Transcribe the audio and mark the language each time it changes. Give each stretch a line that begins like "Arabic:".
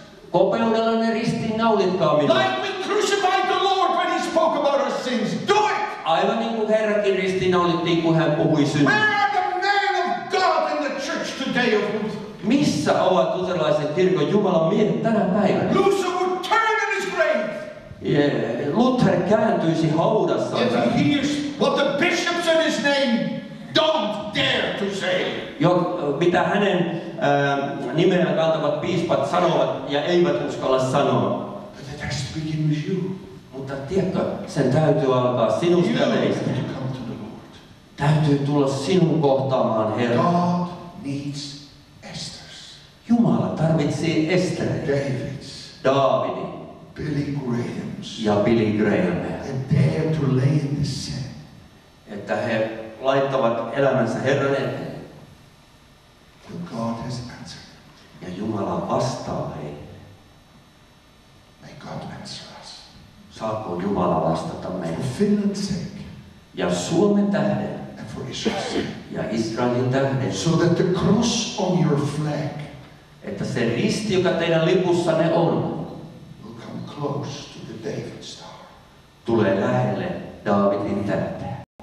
Finnish: Kopeudellanne ristiin naulitkaa minut.
English: Like we crucified the Lord when he spoke about our sins. Do it!
Finnish: Aivan niin kuin Herrakin ristiin naulittiin, kun hän puhui synnistä.
English: Where are the men of God in the church today of Luther?
Finnish: Missä ovat luterilaisen kirkon Jumalan miehet tänä päivänä?
English: Luther would turn in his grave.
Finnish: Luther kääntyisi haudassa.
English: If he hears what the bishops in his name don't dare to say.
Finnish: Jo, mitä hänen nimeään kantavat piispat sanovat ja eivät uskalla sanoa.
English: But it has to begin with you.
Finnish: Mutta tiedätkö, sen täytyy alkaa sinusta ja meistä. Täytyy tulla sinun kohtaamaan, Herra.
English: God needs Esthers.
Finnish: Jumala tarvitsee Esterin.
English: Davids.
Finnish: Daavidin.
English: Billy Grahams.
Finnish: Ja Billy Graham.
English: And dare to lay in the sand.
Finnish: Että he laittavat elämänsä Herran eteen.
English: God has answered.
Finnish: Ja Jumala vastaa heille.
English: May God answer us.
Finnish: Saako Jumala vastata meille?
English: For Finland's sake.
Finnish: Ja Suomen tähden.
English: And for Israel's sake.
Finnish: Ja Israelin tähden.
English: So that the cross on your flag.
Finnish: Että se risti, joka teidän lipussanne on.
English: Will come close to the David star.
Finnish: Tulee lähelle Daavidin tähteä.